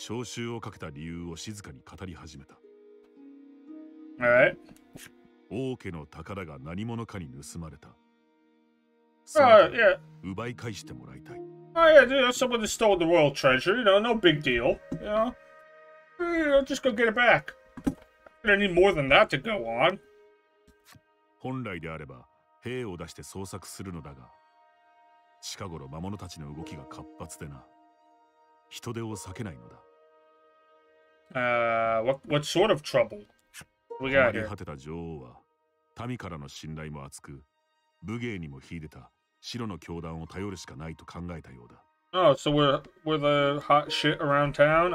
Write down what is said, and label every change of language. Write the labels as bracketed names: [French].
[Japanese] Joe は君たちの挨拶に軽くうなずくと、招集をかけた理由を静かに語り始めた。 [English] Alright. Yeah. Oh yeah, dude, someone stole the royal treasure, you know, no big deal. You know, just go get it back. I need more than that to go on. [Japanese] 本来であれば兵を出して捜索するのだが、近頃魔物たちの動きが活発でな、人手を避けないのだ。 [English] What sort of trouble? We got here. Oh, so we're the hot shit around town?